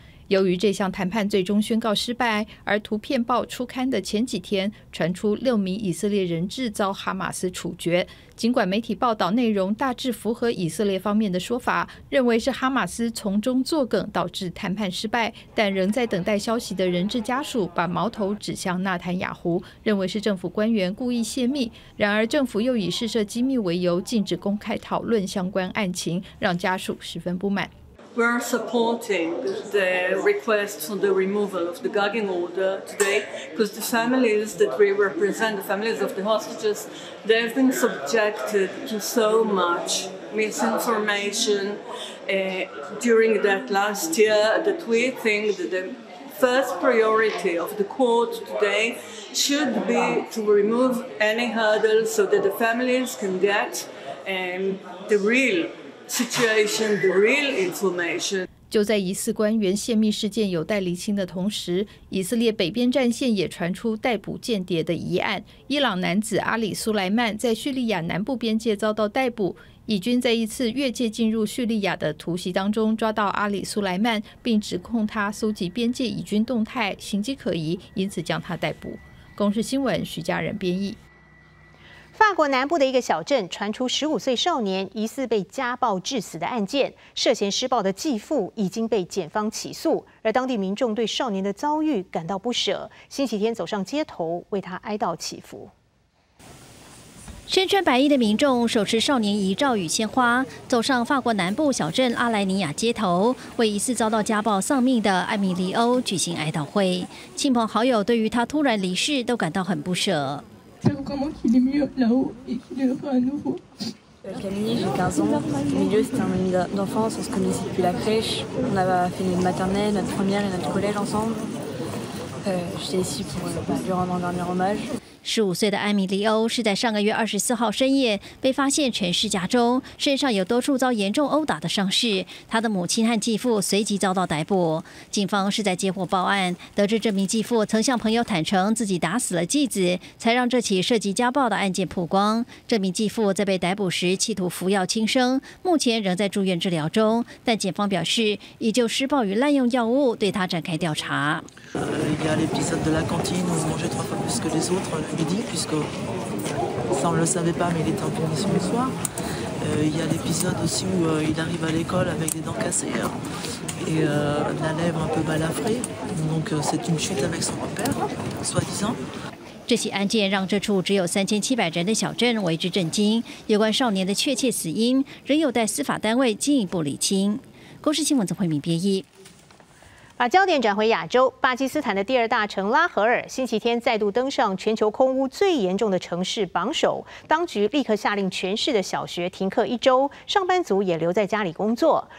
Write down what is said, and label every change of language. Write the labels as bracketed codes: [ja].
[zh] 由于这项谈判最终宣告失败，而图片报出刊的前几天传出6名以色列人质遭哈马斯处决，尽管媒体报道内容大致符合以色列方面的说法，认为是哈马斯从中作梗导致谈判失败，但仍在等待消息的人质家属把矛头指向纳坦雅胡，认为是政府官员故意泄密。然而政府又以试射机密为由禁止公开讨论相关案情，让家属十分不满。 [en] We're supporting the request for the removal of the gagging order today because the families that we represent, the families of the hostages, they've been subjected to so much misinformation during that last year that we think that the first priority of the court today should be to remove any hurdles so that the families can get the real situation, the real information. [zh] 就在疑似官员泄密事件有待厘清的同时，以色列北边战线也传出逮捕间谍的疑案。伊朗男子阿里苏莱曼在叙利亚南部边界遭到逮捕。以军在一次越界进入叙利亚的突袭当中抓到阿里苏莱曼，并指控他搜集边界以军动态，行迹可疑，因此将他逮捕。公视新闻徐佳仁编译。法国南部的一个小镇传出15岁少年疑似被家暴致死的案件，涉嫌施暴的继父已经被检方起诉，而当地民众对少年的遭遇感到不舍，星期天走上街头为他哀悼祈福。身穿白衣的民众手持少年遗照与鲜花，走上法国南部小镇阿莱尼亚街头，为疑似遭到家暴丧命的艾米利欧举行哀悼会。亲朋好友对于他突然离世都感到很不舍。 [fr] Camille, j'ai 15 ans. Au milieu, c'était un ami d'enfance. On se connaissait depuis la crèche. On a fait notre maternelle, notre première et notre collège ensemble. J'étais ici pour lui rendre un dernier hommage. [zh] 15岁的艾米利欧是在上个月24号深夜被发现沉尸家中，身上有多处遭严重殴打的伤势。他的母亲和继父随即遭到逮捕。警方是在接获报案，得知这名继父曾向朋友坦诚自己打死了继子，才让这起涉及家暴的案件曝光。这名继父在被逮捕时企图服药轻生，目前仍在住院治疗中。但警方表示，已就施暴与滥用药物对他展开调查。 [fr] Puisque ça on ne le savait pas, mais il était en punition le soir. Il y a l'épisode aussi où il arrive à l'école avec des dents cassées hein, et la lèvre un peu balafrée. Donc c'est une chute avec son repère, soi-disant. [zh] 这起案件让这处只有3700人的小镇为之震惊。有关少年的确切死因仍有待司法单位进一步厘清。公视新闻曾慧敏编译。把焦点转回亚洲，巴基斯坦的第二大城拉合尔星期天再度登上全球空污最严重的城市榜首，当局立刻下令全市的小学停课一周，上班族也留在家里工作。